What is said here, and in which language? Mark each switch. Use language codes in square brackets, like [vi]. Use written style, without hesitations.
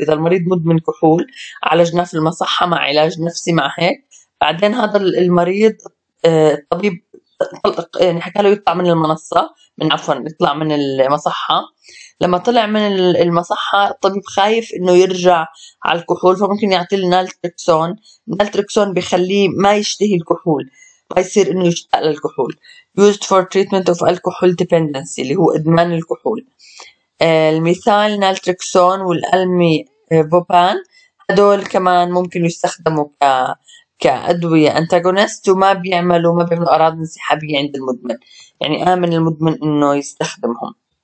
[ar] اذا المريض مدمن كحول عالجناه في المصحه مع علاج نفسي مع هيك، بعدين هذا المريض الطبيب يعني حكى له يطلع من المنصه، من عفوا يطلع من المصحه. لما طلع من المصحه الطبيب خايف انه يرجع على الكحول، فممكن يعطي له نالتريكسون. نالتريكسون بيخليه ما يشتهي الكحول، ما يصير انه يشتاق للكحول. [en] used for treatment of alcohol dependency [ar] اللي هو ادمان الكحول. المثال نالتريكسون والالمي بوبان، هدول كمان ممكن يستخدموا كأدوية أنتاغونست، وما بيعملوا أعراض انسحابية عند المدمن، يعني آمن المدمن إنه يستخدمهم.